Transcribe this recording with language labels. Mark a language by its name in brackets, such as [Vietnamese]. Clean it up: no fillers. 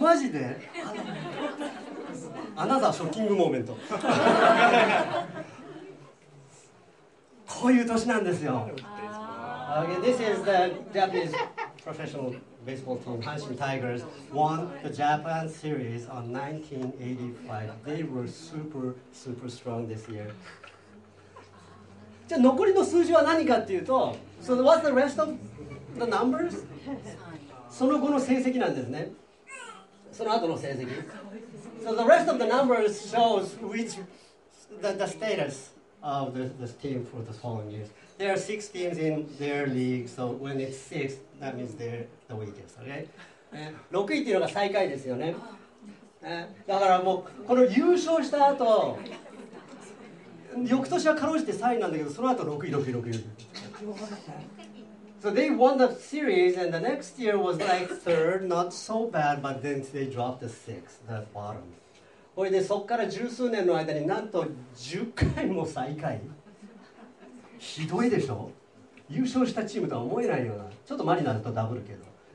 [Japanese] マジでアナザーショッキングモーメントこういう年なんですよ。 [English] Okay, this is the Japanese professional baseball team, Hanshin Tigers, won the Japan Series on 1985. They were super, super strong this year. [Japanese] じゃあ残りの数字は何かっていうと、 [English] so what's the rest of the numbers? [Japanese] その後の成績なんですね。その後の成績。 [English] So the rest of the numbers shows which the status of this team for the following years. There are six teams in their league, so when it's six, that means they're the weakest, okay? [Japanese] 6位っていうのが最下位ですよね。だからもう、この優勝した後、翌年はかろうじて3位なんだけど、その後6位、6位、6位。 [English] So they won the series, and the next year was like third, not so bad, but then they dropped the sixth, the bottom. [Japanese] それでそこから十数年の間になんと10回も最下位。ひどいでしょ。優勝したチームとは思えないような。ちょっとマリナだとダブルけど。